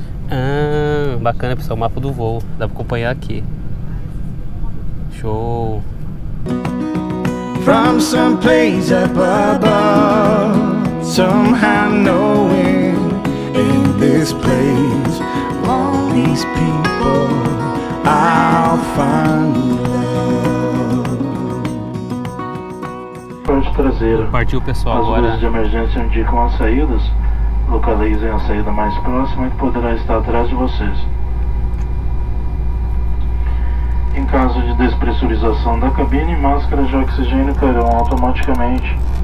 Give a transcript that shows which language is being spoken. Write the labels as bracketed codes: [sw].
[pt] Ah, bacana, pessoal, o mapa do voo. Dá pra acompanhar aqui. Show. [en] From some place up above, somehow knowing in this place, all these people I'll find love. [pt] Frente traseira. Partiu, pessoal, as agora. As ruas de emergência indicam as saídas. Localizem a saída mais próxima que poderá estar atrás de vocês. Em caso de despressurização da cabine, máscaras de oxigênio cairão automaticamente.